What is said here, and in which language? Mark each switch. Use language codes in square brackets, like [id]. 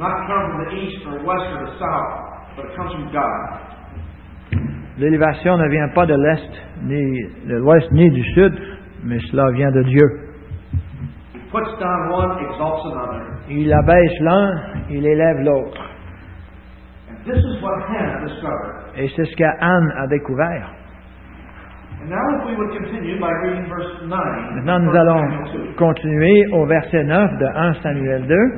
[en] not come from the east or west or the south, but it comes from God. [fr] L'élévation ne vient pas de l'est ni de l'ouest ni du sud, mais cela vient de Dieu. [en] He puts down one, exalts another. [fr] Il abaisse l'un, il élève l'autre. [en] And this is what Hannah discovered. [fr] Et c'est ce qu'Anne a découvert. [en] And now if we would continue by reading verse 9, [fr] maintenant nous allons continuer au verset 9 de 1 Samuel 2.